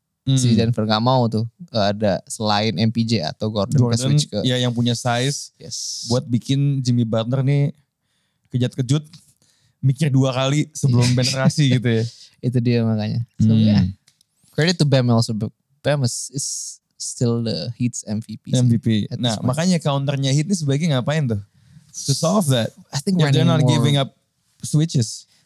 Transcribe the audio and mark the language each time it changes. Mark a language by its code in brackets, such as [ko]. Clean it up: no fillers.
[id] Si Denver gak mau tuh ada selain MPJ atau Gordon ke switch ke. Ya yang punya size. [en] Yes. [id] Buat bikin Jimmy Butler nih kejut-kejut. Mikir dua kali sebelum penetrasi gitu ya. Itu dia makanya. [en] Credit to Bam also. Bam is still the Heat's MVP. MVP. [id] Nah makanya counternya Heat ini sebaiknya ngapain tuh? [en] To solve that. I think if they're not giving up switches.